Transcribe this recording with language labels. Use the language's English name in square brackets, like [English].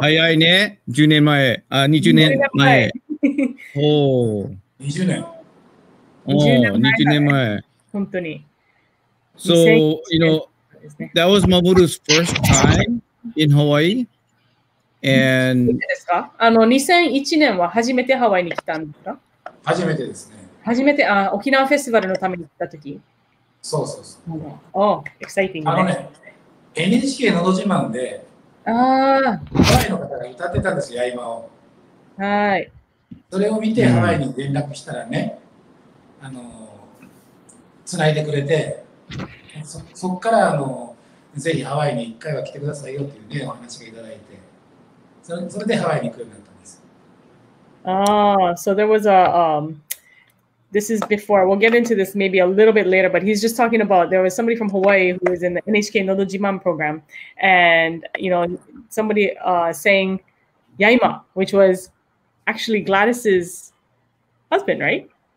[Japanese] Hayai ne, 10 年前.20 年前.Oh. 20 年. Oh, 20年前.本当に. [English] So, you know, that was Mamoru's first time in Hawaii. And... [Japanese] 2001年は初めてハワイに来たんですか? 初めてですね。初めて、沖縄フェスティバルのために来た時。そうそうそう。おー、エキサイティング。あのね、NHK のど自慢で、ああ。ハワイの方が歌ってたんですよ、合間を。はい。それを見て、ハワイに連絡したらね、つないでくれて、そっから、ぜひハワイに一回は来てくださいよっていうね、お話がいただいて、それでハワイに来るようになったんです。 [English] ああ、so there was This is before, we'll get into this maybe a little bit later, but he's just talking about there was somebody from Hawaii who was in the NHK Nodo Jiman program. And, you know, somebody saying Yaima, which was actually Gladys's husband, right?